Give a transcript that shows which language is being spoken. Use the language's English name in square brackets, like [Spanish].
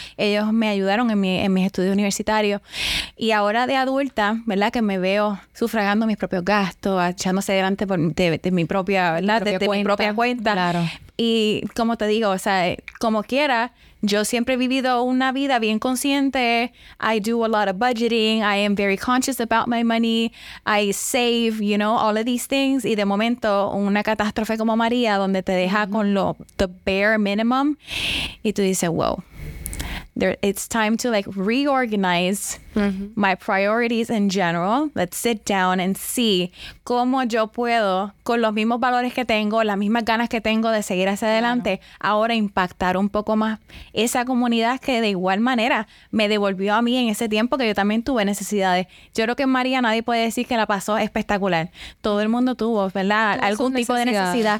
[Spanish] Ellos me ayudaron en mis estudios universitarios. Y ahora de adulta, ¿verdad?, que me veo sufragando mis propios gastos, echándose adelante de mi propia, ¿verdad?, de mi propia cuenta. Claro. Y como te digo, o sea, como quiera, yo siempre he vivido una vida bien consciente. [English] I do a lot of budgeting. I am very conscious about my money. I save, you know, all of these things. [Spanish] Y de momento, una catástrofe como María, donde te deja con [English] the bare minimum, [Spanish] y tú dices, wow. [English] It's time to like reorganize my priorities in general. Let's sit down and see [Spanish] cómo yo puedo, con los mismos valores que tengo, las mismas ganas que tengo de seguir hacia adelante, ahora impactar un poco más esa comunidad que de igual manera me devolvió a mí en ese tiempo que yo también tuve necesidades. Yo creo que María nadie puede decir que la pasó espectacular. Todo el mundo tuvo, ¿verdad?, algún tipo de necesidad.